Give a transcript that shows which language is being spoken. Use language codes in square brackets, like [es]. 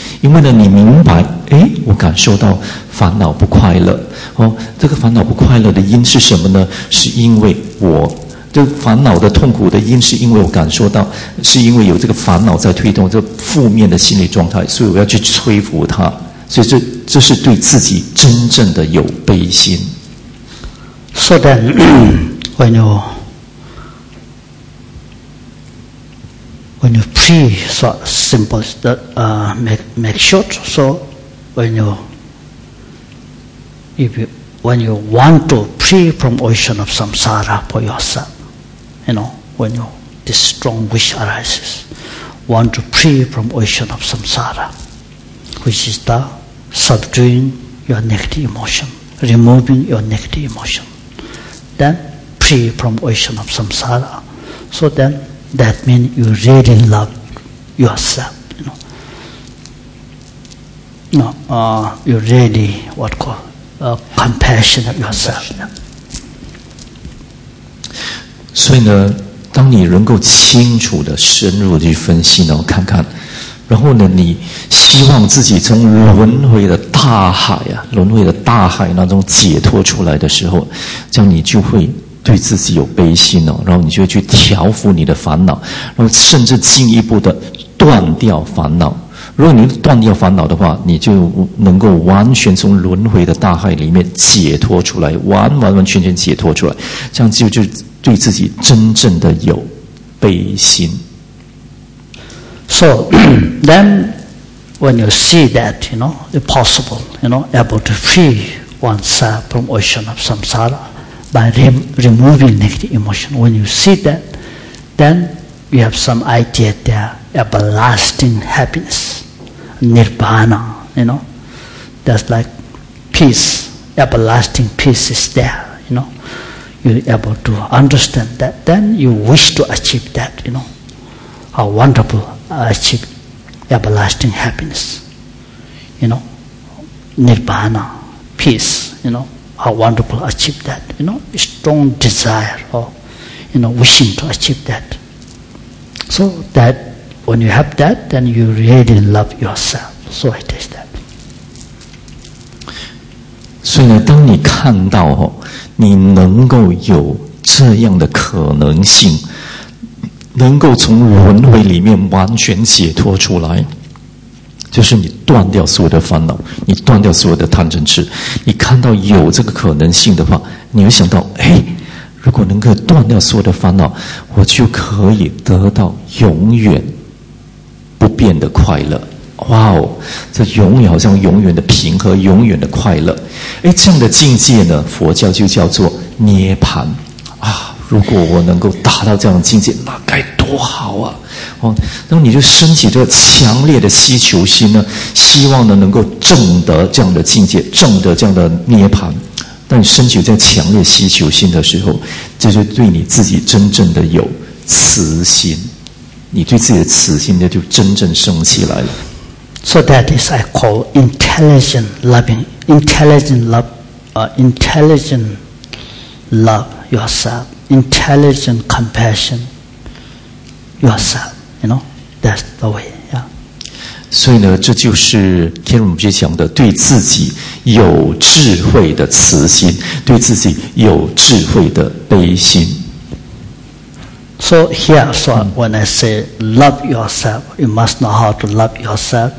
[zh] 因为呢，你明白，哎，我感受到烦恼不快乐哦，这个烦恼不快乐的因是什么呢？是因为我这烦恼的痛苦的因，是因为我感受到，是因为有这个烦恼在推动这负面的心理状态，所以我要去摧伏它。所以这是对自己真正的有悲心。 [en] So then, when you pray, so simple, that make short. So when you want to pray from ocean of samsara for yourself, you know, when you this strong wish arises, want to pray from ocean of samsara, which is the subduing your negative emotion, removing your negative emotion. Then, free from ocean of samsara. So then, that means you really love yourself. You know, you really, what call, compassionate yourself. [zh] 所以呢，当你能够清楚的深入去分析呢，看看，然后呢，你希望自己从轮回的大海啊，轮回的大海那种解脱出来的时候，这样你就会对自己有悲心哦，然后你就会去调伏你的烦恼，然后甚至进一步的断掉烦恼。如果你断掉烦恼的话，你就能够完全从轮回的大海里面解脱出来，完全解脱出来，这样就对自己真正的有悲心。 [en] So then, when you see that, you know, it's possible, you know, able to free oneself from ocean of samsara by removing negative emotion. When you see that, then you have some idea there, everlasting happiness, nirvana, you know. That's like peace, everlasting peace is there, you know. You're able to understand that. Then you wish to achieve that, you know. How wonderful. Achieve everlasting happiness, you know, nirvana, peace, you know, how wonderful achieve that, you know, strong desire or, you know, wishing to achieve that. So that when you have that, then you really love yourself. So it is that. [zh] 所以呢，当你看到哦，你能够有这样的可能性，能够从轮回里面完全解脱出来，就是你断掉所有的烦恼，你断掉所有的贪嗔痴，你看到有这个可能性的话，你会想到，哎，如果能够断掉所有的烦恼，我就可以得到永远不变的快乐。哇哦，这永远好像永远的平和，永远的快乐。哎，这样的境界呢，佛教就叫做涅槃啊。如果我能够达到这样的境界，那该多好啊！哦，那么你就升起这个强烈的希求心呢，希望呢能够证得这样的境界，证得这样的涅槃。当你升起这强烈希求心的时候，这就对你自己真正的有慈心，你对自己的慈心就真正升起来了。 [en] So that is I call intelligent loving, intelligent love, intelligent love yourself, intelligent compassion yourself, you know, that's the way, yeah. [zh] 所以呢，这就是天龙之讲的对自己有智慧的慈心，对自己有智慧的悲心。 [en] So here, so when I say love yourself, you must know how to love yourself.